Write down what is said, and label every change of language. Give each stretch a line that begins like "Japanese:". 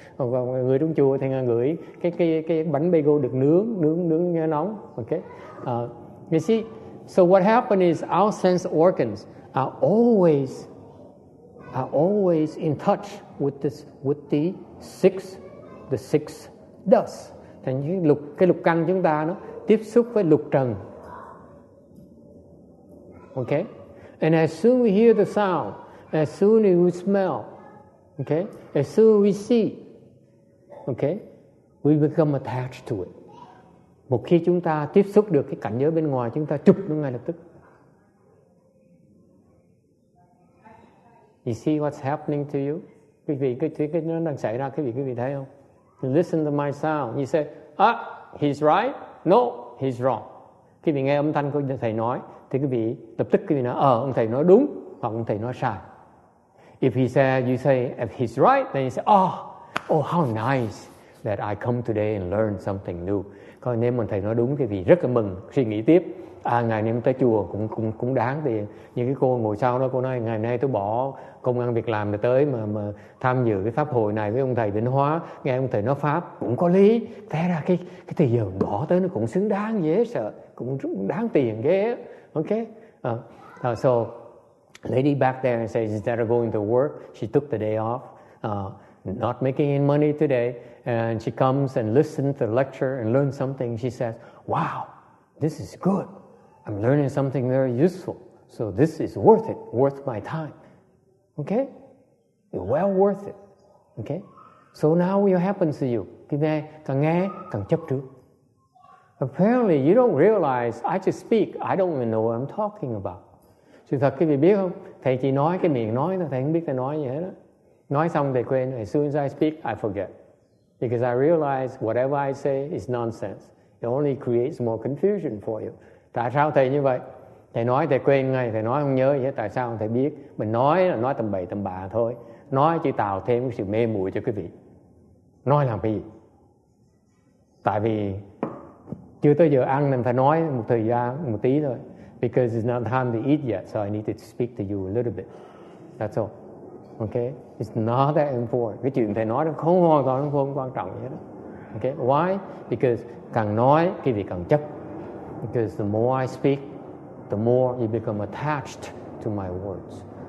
Vietnamese: Và người trong chùa thì ngửi cái bánh bagel được nướng nghe nóng.
English: Okay. You see, so what happened is our sense organs are always in touch with the six dust.
Vietnamese: Thành như cái lục căn chúng ta nó tiếp xúc với lục trần.
English: Okay? And as soon as we hear the sound, as soon as we smell, okay? As soon as we see, okay? We become attached to it.
Vietnamese: Một khi chúng ta tiếp xúc được cái cảnh giới bên ngoài, chúng ta chụp nó ngay lập tức.
English: You see what's happening to you?
Vietnamese: Quý vị, cái nó đang xảy ra, quý vị thấy không?
English: You listen to my sound. You say, he's right. No, he's wrong.
Vietnamese: Quý vị nghe âm thanh của thầy nói, thì quý vị lập tức quý vị nói, ông thầy nói đúng, hoặc ông thầy nói sai.
English: If he says, you say, if he's right, then you say, oh, how nice that I come today and learn something new.
Vietnamese: Còn nếu mà thầy nói đúng, quý vị rất là mừng, suy nghĩ tiếp. Ngày nay tới chùa cũng đáng tiền. Như cái cô ngồi sau đó, cô nói, ngày nay tôi bỏ công ăn việc làm để tới mà tham dự cái pháp hội này với ông thầy Vĩnh Hóa, nghe ông thầy nói pháp cũng có lý. Thế ra cái thời giờ bỏ tới nó cũng xứng đáng, dễ sợ, cũng đáng tiền ghê.
English: Okay? So lady back there says, instead of going to work, she took the day off, not making any money today, and she comes and listens to the lecture and learns something. She says, wow, this is good. I'm learning something very useful. So this is worth it, worth my time. Okay? You're well worth it. Okay? So now what happens to you?
Vietnamese: Càng nghe, càng chấp trước.
English: Apparently, you don't realize, I just speak, I don't even know what I'm talking about.
Vietnamese: Sự thật, quý vị biết không? Thầy chỉ nói cái miệng nói, thầy không biết thầy nói gì hết. Nói xong thầy quên,
English: as soon as I speak, I forget. Because I realize whatever I say is nonsense. It only creates more confusion for you.
Vietnamese: Tại sao thầy như vậy? Thầy nói thầy quên ngay, thầy nói không nhớ gì hết. Tại sao không thầy biết? Mình nói là nói tầm bậy tầm bạ thôi. Nói chỉ tạo thêm cái sự mê muội cho quý vị. Nói làm cái gì? Tại vì chưa tới giờ ăn nên phải nói một thời gian, một tí thôi.
English: Because it's not time to eat yet, so I need to speak to you a little bit. That's all. Okay? It's not that important.
Vietnamese: Cái chuyện thầy nói không hoàn toàn không quan trọng gì hết. Okay?
English: Why? Because
Vietnamese: càng nói, quý vị càng chấp.
English: Because the more I speak, the more you become attached to my words.